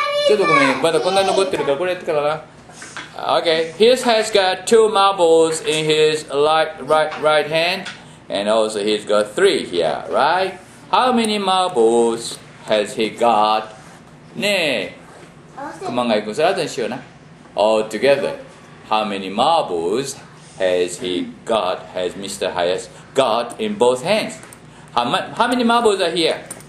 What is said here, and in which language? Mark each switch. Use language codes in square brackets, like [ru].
[ja] ちょっとごめんまだこんなに残ってるからこれやってからな。 [en] Okay, his has got two marbles in his right hand, and also he's got three here, right? How many marbles has he got? [ja] ねえ、熊谷君、それ後にしような。 [en] All together, how many marbles has he got, has Mr. Hayes got in both hands? How many marbles are here?